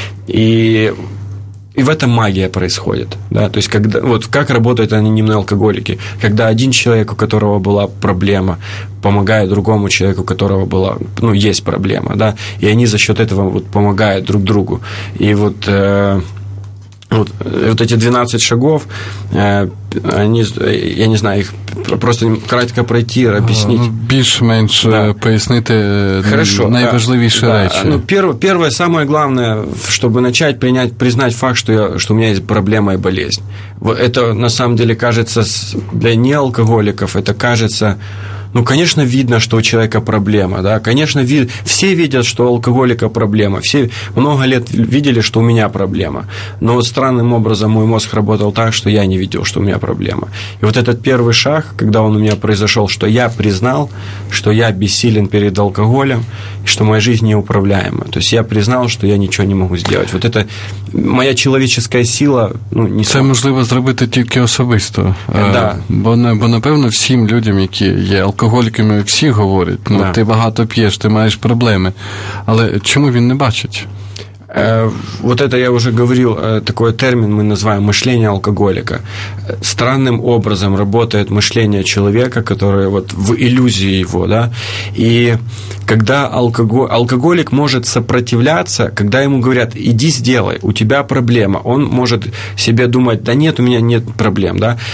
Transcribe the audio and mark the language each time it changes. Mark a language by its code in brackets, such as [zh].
[ru] И в этом магия происходит, да, то есть когда, вот как работают анонимные алкоголики, когда один человек, у которого была проблема, помогает другому человеку, у которого была, ну, есть проблема, да, и они за счет этого вот помогают друг другу. И вот... Вот эти 12 шагов, они, я не знаю, их просто кратко пройти, объяснить. [uk] Більш-менш пояснити найважливіші речі. [ru] Ну, первое, самое главное, чтобы начать признать факт, что у меня есть проблема и болезнь. Это, на самом деле, кажется, для неалкоголиков, это кажется... Ну, конечно, видно, что у человека проблема, да, конечно, все видят, что у алкоголика проблема, все много лет видели, что у меня проблема, но вот странным образом мой мозг работал так, что я не видел, что у меня проблема. И вот этот первый шаг, когда он у меня произошел, что я признал, что я бессилен перед алкоголем, и что моя жизнь неуправляема, то есть я признал, что я ничего не могу сделать. Вот это моя человеческая сила, ну, не [uk] знаю. Это можливо зробити тільки особисто. [ru] Да. [uk] Бо напевно, всім людям, які є алкоголіками, всі говорять, ну, да, ти багато п'єш, ти маєш проблеми. Але чому він не бачить? [ru] Вот это я уже говорил, такой термин мы называем мышление алкоголика. Странным образом работает мышление человека, который вот в иллюзии его, да. И когда алкоголик может сопротивляться, когда ему говорят, иди сделай, у тебя проблема, он может себе думать, да нет, у меня нет проблем, да.